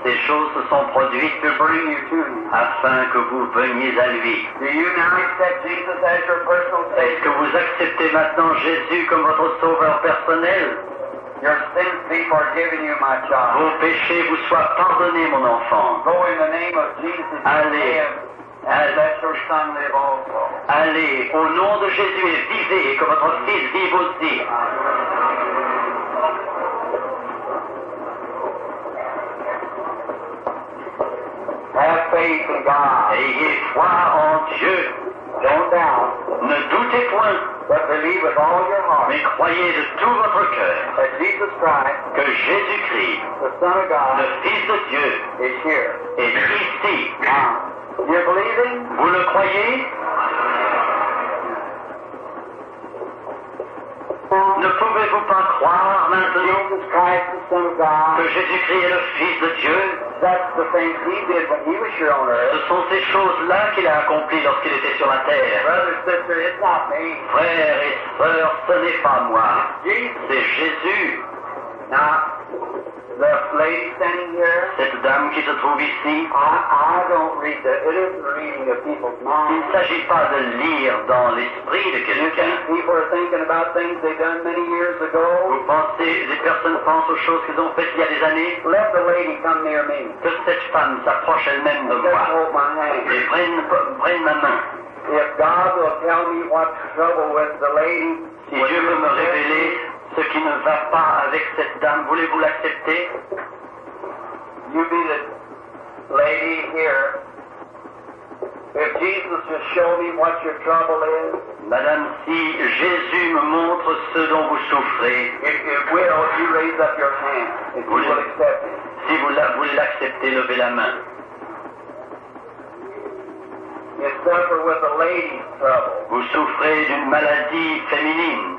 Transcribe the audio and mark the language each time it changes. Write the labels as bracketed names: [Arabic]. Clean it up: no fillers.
[French] Ces choses se sont produites. [English] To bring you to me. [French] Afin que vous veniez à lui. [English] Do you now accept Jesus as your personal savior? [French] Est-ce que vous acceptez maintenant Jésus comme votre sauveur personnel? [English] Your sins be forgiven you, my child. [French] Vos péchés vous soient pardonnés, mon enfant. [English] Go in the name of Jesus. [French] Allez. [English] Let your son live also. [French] Allez, au nom de Jésus, et vivez, et que votre fils vive aussi. [English] Have faith in God. [French] Ayez foi en Dieu. [English] Don't doubt. [French] Ne doutez point. [English] But believe with all your heart. [French] Mais croyez de tout votre cœur. [English] That Jesus Christ. [French] Que Jésus-Christ. [English] The Son of God. [French] Le Fils de Dieu. [English] Is here. [French] Est ici. [English] Now, you're believing? [French] Vous le croyez? Ne pouvez-vous pas croire maintenant [English] Jesus Christ, the Son of God, [French] que Jésus-Christ est le Fils de Dieu? [English] That's the things he did when he was here on earth. [French] Ce sont ces choses-là qu'il a accomplies lorsqu'il était sur la terre. [English] Brother, sister, it's not me. [French] Frère et sœur, ce n'est pas moi. [English] Jesus. [French] C'est Jésus. [English] Now, the lady standing here, [French] cette dame qui se trouve ici, [English] I don't read the, it isn't reading of people's minds. [French] Il ne s'agit pas de lire dans l'esprit de quelqu'un. [English] People are thinking about things they've done many years ago. [French] Vous pensez, les personnes pensent aux choses qu'ils ont faites il y a des années. [English] Let the lady come near me. [French] Que cette femme s'approche elle-même de moi. [English] Just hold my hand. [French] Et prenne ma main. [English] If God will tell me what trouble with the lady, [French] si Dieu veut me révéler ce qui ne va pas avec cette dame, voulez-vous l'accepter? [English] You be the lady here. If Jesus will show me what your trouble is, [French] madame, si Jésus me montre ce dont vous souffrez, [English] you raise up your hand. If you will accept it. [French] Si vous voulez l'accepter, levez la main. [English] You suffer with a lady's trouble. [French] Vous souffrez d'une maladie féminine.